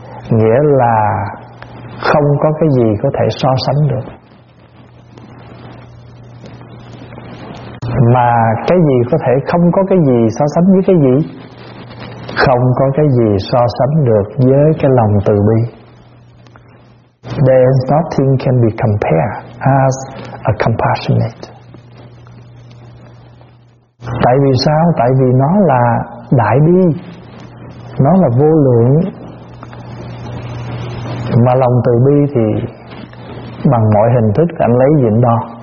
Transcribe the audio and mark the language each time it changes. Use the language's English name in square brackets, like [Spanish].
[Vietnamese] Nghĩa là không có cái gì có thể so sánh được. Mà cái gì có thể không có cái gì so sánh với cái gì? Không có cái gì so sánh được với cái lòng từ bi. [English] There is nothing can be compared as a compassionate. [Vietnamese] Tại vì sao? Tại vì nó là đại bi, nó là vô lượng. Mà lòng từ bi thì bằng mọi hình thức anh lấy diện đo.